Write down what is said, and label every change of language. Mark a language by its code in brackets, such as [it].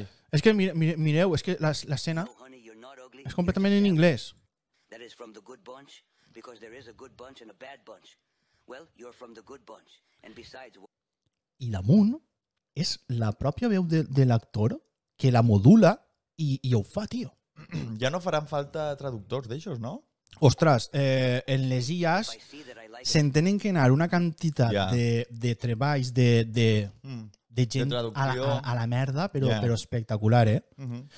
[ca] És que mireu, és que l'escena és completament en anglès. [en] That is from the good bunch, because there is a good bunch and a bad bunch. Well, you're from the good bunch. And besides... [ca] I damunt és la pròpia veu de l'actor que la modula i ho fa, tio. Ja no faran falta traductors d'aixòs, no? Ostres, en les IAs s'entenen que anar una quantitat de treballs de gent a la merda, però espectacular, eh? Uh-huh.